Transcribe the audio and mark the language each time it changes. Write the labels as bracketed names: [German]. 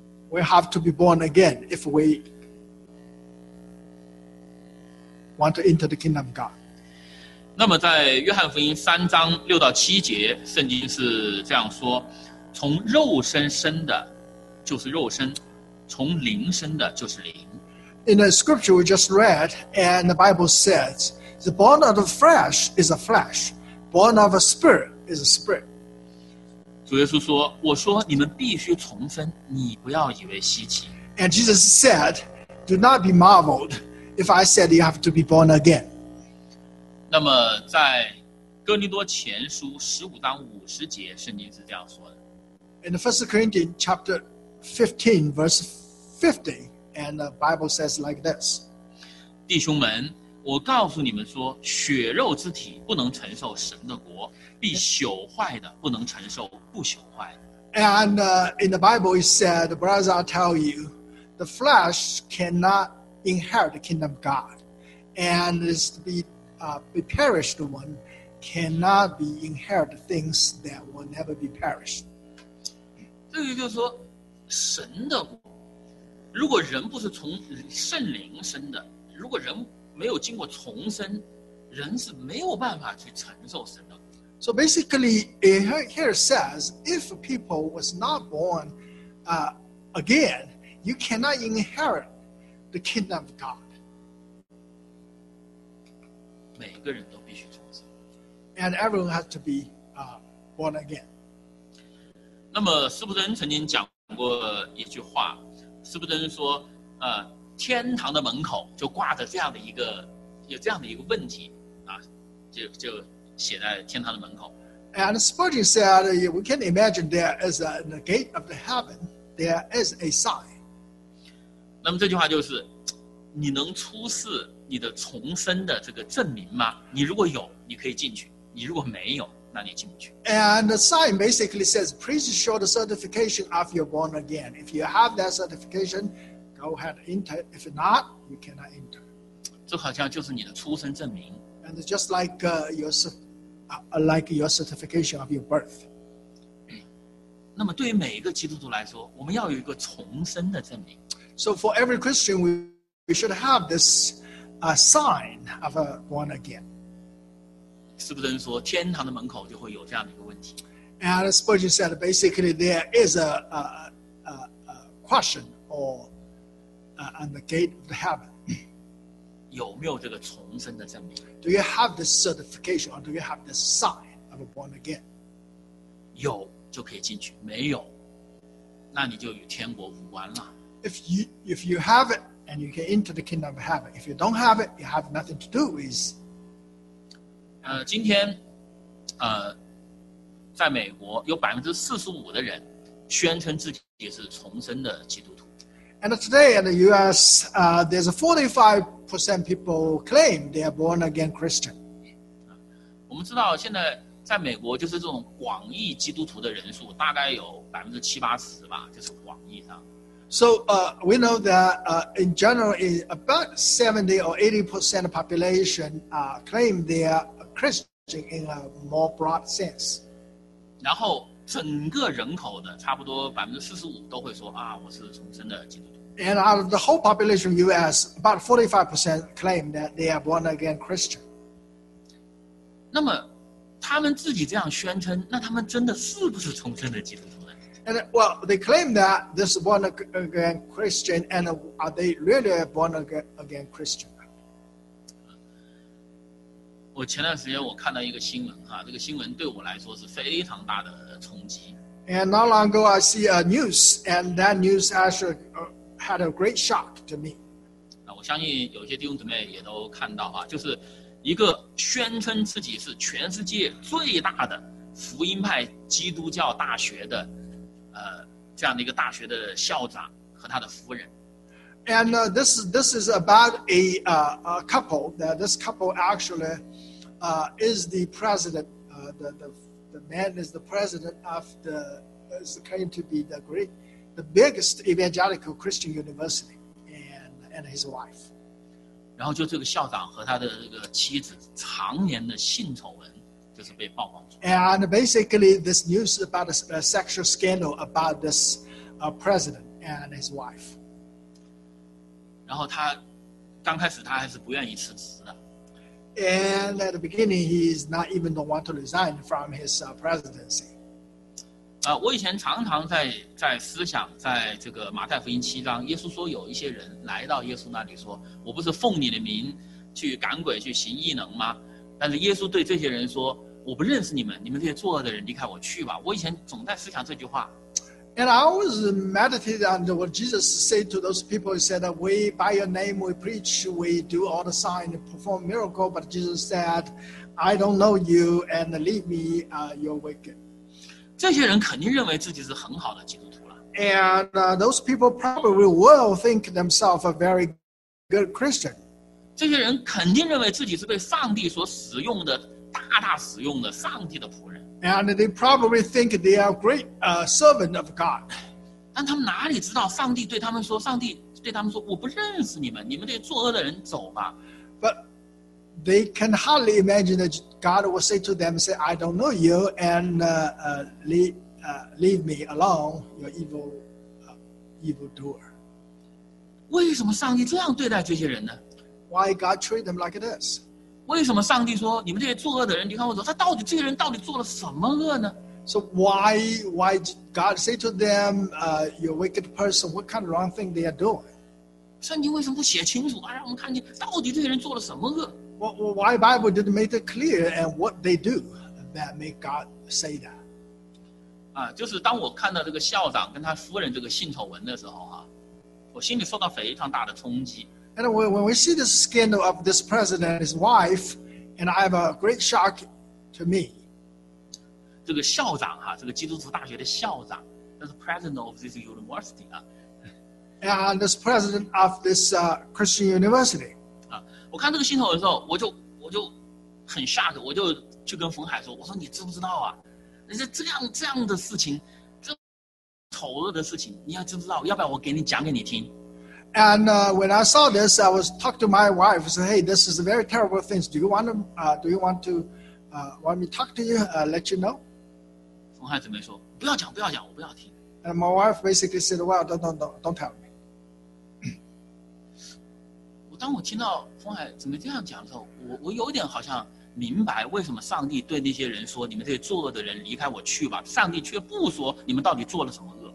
[English] We have to be born again if we want to enter the kingdom of God. [Chinese] 那么在约翰福音三章六到七节，圣经是这样说。从肉身生的就是肉身，从灵生的就是灵。 [English] In the scripture we just read, and the Bible says, the born of the flesh is a flesh, born of a spirit is a spirit. [Chinese] 主耶稣说，我说你们必须重生，你不要以为稀奇。 [English] And Jesus said, do not be marveled if I said you have to be born again. [Chinese] 那么在哥林多前书十五章五十节，圣经是这样说的。 [English] In the First Corinthians chapter 15, verse 50, and the Bible says like this. [Chinese] 弟兄们，我告诉你们说，血肉之体不能承受神的国，必朽坏的不能承受不朽坏的。 [English] And in the Bible it said, brothers, I tell you, the flesh cannot inherit the kingdom of God, and is to be perished one cannot be inherit things that will never be perished. [Chinese] 这个就是说，神的国，如果人不是从圣灵生的，如果人没有经过重生，人是没有办法去承受神的。 [English] So basically, it here says, if people was not born again, you cannot inherit the kingdom of God. [Chinese] 每个人都必须重生。 [English] And everyone has to be born again. [Chinese] 那么斯普顿曾经讲过一句话，斯普顿说，天堂的门口就挂着这样的一个，有这样的一个问题，啊，就写在天堂的门口。 [English] And Spurgeon said, we can imagine there is a the gate of the heaven. There is a sign. [Chinese] 那么这句话就是，你能出示你的重生的这个证明吗？你如果有，你可以进去；你如果没有，那你进不去。 [English] And the sign basically says, please show the certification after you're born again. If you have that certification. Go ahead, enter. If not, you cannot enter. [Chinese] 这好像就是你的出生证明。 [English] And just like your certification of your birth. [Chinese] 那么对于每一个基督徒来说，我们要有一个重生的证明。 [English] So for every Christian, we should have this sign of a born again. [Chinese] 斯普顿说，天堂的门口就会有这样的一个问题。 [English] And Spurgeon said, basically there is a question or. And the gate of the heaven. [Chinese] 有没有这个重生的证明？ [English] Do you have the certification or do you have the sign of a born again? [Chinese] 有就可以进去，没有，那你就与天国无关了。 [English] If you have it and you can enter the kingdom of heaven, if you don't have it, you have nothing to do with. [Chinese] 今天，在美国有45%的人宣称自己是重生的基督徒。 [English] And today in the U.S., there's 45% people claim they are born again Christian. [Chinese] 我们知道现在在美国就是这种广义基督徒的人数大概有70-80%吧，就是广义上。 [English] So we know that in general, about 70% or 80% of population claim they are Christian in a more broad sense. [Chinese] 然后整个人口的差不多45%都会说啊，我是重生的基督徒。 [English] And out of the whole population of U.S., about 45% claim that they are born again Christian. [Chinese] 那么他们自己这样宣称，那他们真的是不是重生的基督徒呢？ [English] And well, they claim that this born again Christian, and are they really born again Christian? [Chinese] 我前段时间我看到一个新闻哈，这个新闻对我来说是非常大的冲击。 [English] And not long ago, I see a news, and that news actually. Had a great shock to me. [Chinese] 那我相信有些弟兄姊妹也都看到哈，就是一个宣称自己是全世界最大的福音派基督教大学的，这样的一个大学的校长和他的夫人。 [English] And this is about a couple that this couple actually, is the president. The man is the president of the is claimed to be the great. The biggest evangelical Christian university, and his wife. [Chinese] 然后就这个校长和他的这个妻子常年的性丑闻，就是被曝光出。 [English] And basically, this news about a sexual scandal about this president and his wife. [Chinese] 然后他刚开始他还是不愿意辞职的。 [English] And at the beginning, he's not even don't want to resign from his presidency. [Chinese] 我以前常常在思想，在这个马太福音七章，耶稣说有一些人来到耶稣那里说，我不是奉你的名去赶鬼去行异能吗？但是耶稣对这些人说，我不认识你们，你们这些作恶的人离开我去吧。我以前总在思想这句话。 [English] And I always meditated on what Jesus said to those people. He said, we, by your name, we preach, we do all the signs, perform miracles. But Jesus said, I don't know you, and leave me, you're wicked. [Chinese] 这些人肯定认为自己是很好的基督徒了。 [English] And those people probably will think themselves a very good Christian. [Chinese] 这些人肯定认为自己是被上帝所使用的，大大使用的上帝的仆人。 [English] And they probably think they are great servant of God. [Chinese] 但他们哪里知道上帝对他们说，上帝对他们说，我不认识你们，你们这些作恶的人走吧。 [English] But they can hardly imagine that God will say to them, say, I don't know you, and leave me alone, you're evil doer. [Chinese] 为什么上帝这样对待这些人呢？ [English] Why God treat them like this? [Chinese] 为什么上帝说你们这些作恶的人离开我走？他到底这些人到底做了什么恶呢 [English] ？So why God say to them, you wicked person, what kind of wrong thing they are doing? [Chinese] 圣经为什么不写清楚啊？让我们看见到底这些人做了什么恶 [English] ？Well, why Bible didn't make it clear and what they do that make God say that? [Chinese] 啊，就是当我看到这个校长跟他夫人这个性丑闻的时候啊，我心里受到非常大的冲击。 [English] And when we see the scandal of this president and his wife, and I have a great shock to me. [Chinese] 这个校长哈，这个基督徒大学的校长 ， [English] the president of this university [Chinese] 啊。 [English] And this president of this Christian university. [Chinese] 啊，我看这个新闻的时候，我就很 shock， 我就去跟冯海说，我说你知不知道啊？那些这样的事情，这丑恶的事情，你要知不知道？要不要我给你讲给你听？ [English] And when I saw this, I was talking to my wife. I said, "Hey, this is a very terrible thing. Do you want me talk to you? Let you know." [Chinese] 冯海姊妹说，不要讲，不要讲，我不要听。 [English] And my wife basically said, "Well, don't tell me." [Chinese] 我当我听到冯海姊妹这样讲的时候，我有点好像明白为什么上帝对那些人说，你们这些作恶的人离开我去吧。上帝却不说你们到底做了什么。